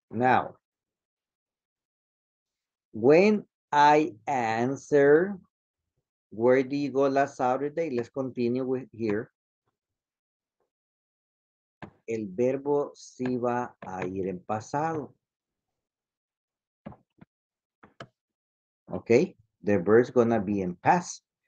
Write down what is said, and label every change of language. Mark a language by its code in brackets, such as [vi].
[en] Now, when I answer, where do you go last Saturday? Let's continue with here. [es] El verbo sí va a ir en pasado. [en] Okay, the verb is gonna be in past.